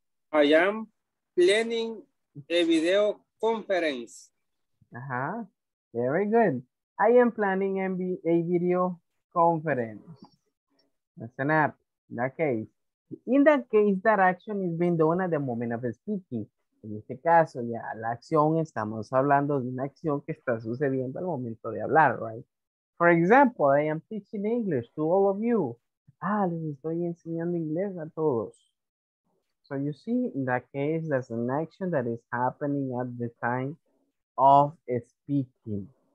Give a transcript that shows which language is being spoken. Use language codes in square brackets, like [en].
[en] I am planning a video conference. Uh-huh. Very good. I am planning a video conference. That's an app. In that case. In that case, that action is being done at the moment of speaking. [es] En este caso, ya la acción, estamos hablando de una acción que está sucediendo al momento de hablar, right? [en] For example, I am teaching English to all of you. Ah, [es] les estoy enseñando inglés a todos. [en] So you see, in that case, there's an action that is happening at the time of speaking.